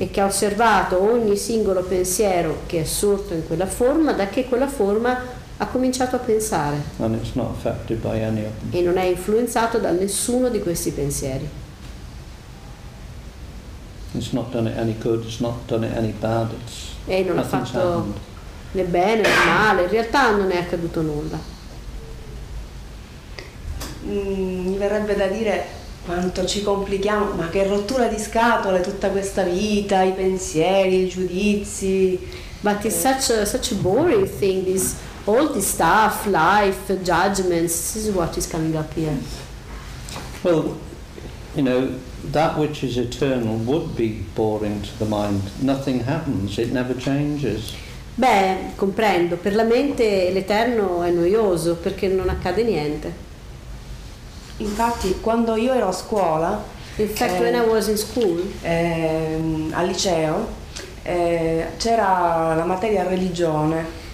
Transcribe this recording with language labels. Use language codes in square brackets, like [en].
[it] E che ha osservato ogni singolo pensiero che è sorto in quella forma da che quella forma ha cominciato a pensare. [en] And it's not affected by any of them. [it] E non è influenzato da nessuno di questi pensieri. [en] It's not done it any good. It's not done it any bad. It's [it] e non ha fatto [en] happened. [it] Né bene né male. In realtà non è accaduto nulla. Mi verrebbe da dire quanto ci complichiamo, ma che rottura di scatole tutta questa vita, i pensieri, i giudizi. [en] But it's such a boring thing, this all this stuff, life, judgments, this is what is coming up here. Well, you know, that which is eternal would be boring to the mind. Nothing happens, it never changes. [it] Beh, comprendo, per la mente l'eterno è noioso perché non accade niente. Infatti, quando io ero a scuola, [en] in fact, when I was in school, [it] al liceo, c'era la materia religione.